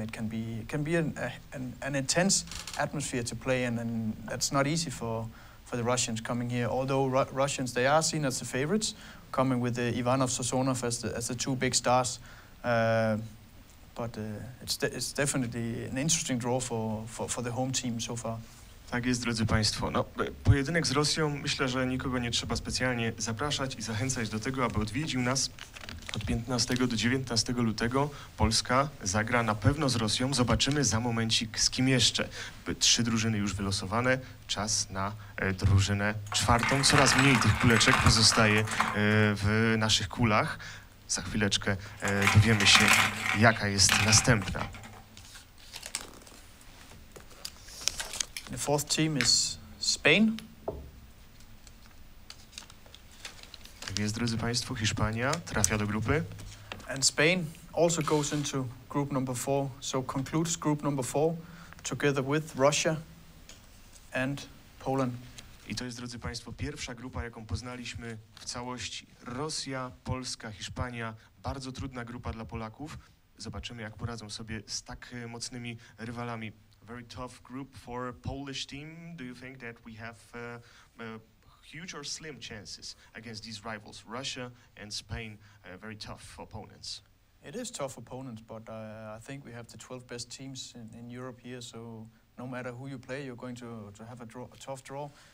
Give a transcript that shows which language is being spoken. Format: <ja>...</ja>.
<en>It can be an intense atmosphere to play in, and that's not easy for the Russians coming here. Although Russians, they are seen as the favorites, coming with Ivanov, Sosonov as the two big stars. But it's definitely an interesting draw for the home team so far.</en> <pl>Tak jest, drodzy państwo. No, pojedynek z Rosją, myślę, że nikogo nie trzeba specjalnie zapraszać i zachęcać do tego, aby odwiedził nas od 15 do 19 lutego. Polska zagra na pewno z Rosją. Zobaczymy za momencik, z kim jeszcze. Trzy drużyny już wylosowane. Czas na drużynę czwartą. Coraz mniej tych kuleczek pozostaje w naszych kulach. Za chwileczkę dowiemy się, jaka jest następna.</pl> <en>The fourth team is Spain.</en> <pl>Tak jest, drodzy państwo, Hiszpania trafia do grupy.</pl> <en>And Spain also goes into group number four, so concludes group number four together with Russia and Poland.</en> <pl>I to jest, drodzy Państwo, pierwsza grupa, jaką poznaliśmy w całości. Rosja, Polska, Hiszpania, bardzo trudna grupa dla Polaków. Zobaczymy, jak poradzą sobie z tak mocnymi rywalami.</pl> <en>Very tough group for Polish team. Do you think that we have huge or slim chances against these rivals, Russia and Spain, very tough opponents? It is tough opponents, but I think we have the 12 best teams in Europe here, so no matter who you play, you're going to have a tough draw.</en>